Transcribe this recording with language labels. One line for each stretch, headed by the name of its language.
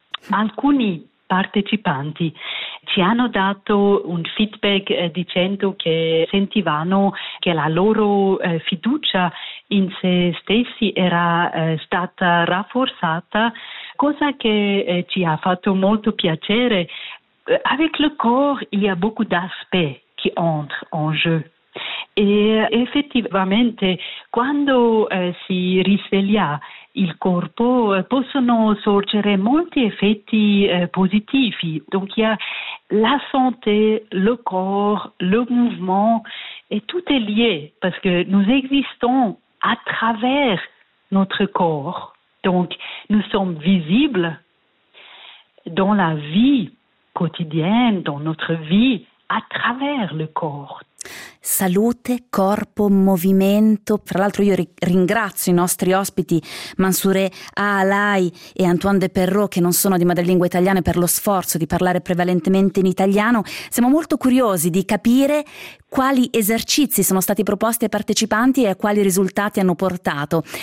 Italian: Alcuni partecipanti ci hanno dato un feedback dicendo che sentivano che la loro fiducia in se stessi era stata rafforzata, cosa che ci ha fatto molto piacere.
French: Avec le corps, il y a beaucoup d'aspects qui entrent en jeu.
Italian: E effettivamente quando si risveglia il corpo possono sorgere molti effetti positivi.
French: Donc il y a la santé, le corps, le mouvement, et tout est lié parce que nous existons à travers notre corps. Donc nous sommes visibles dans la vie quotidienne, dans notre vie, à travers le corps.
Italian: Salute, corpo, movimento. Fra l'altro io ringrazio i nostri ospiti Mansouré Aalaï e Antoine de Perrot, che non sono di madrelingua italiana, per lo sforzo di parlare prevalentemente in italiano. Siamo molto curiosi di capire quali esercizi sono stati proposti ai partecipanti e a quali risultati hanno portato.